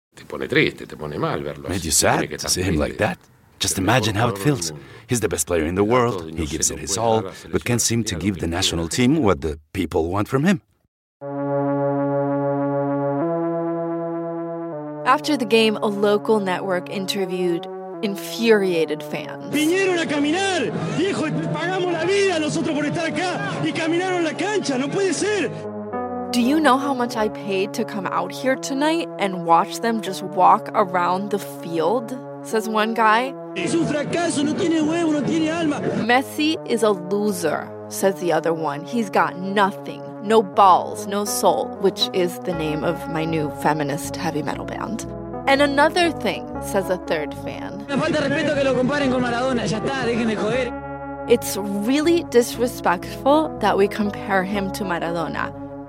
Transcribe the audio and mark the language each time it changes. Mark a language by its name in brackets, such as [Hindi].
[English] Made you sad to see him like that? Just imagine how it feels. He's the best player in the world, he gives it his all, but can't seem to give the national team what the people want from him. After the game, a local network interviewed infuriated fans. [Spanish] Vinieron a caminar, viejo, pagamos la vida nosotros por estar acá, y caminaron la cancha, no puede ser. [English] Do you know how much I paid to come out here tonight and watch them just walk around the field? Says one guy. [Spanish] Es un fracaso, no tiene huevo, no tiene alma. [English] Messi is a loser, says the other one. He's got nothing. No balls, no soul, which is the name of my new feminist heavy metal band. And another thing, says a third fan. It's really disrespectful that we compare him to Maradona.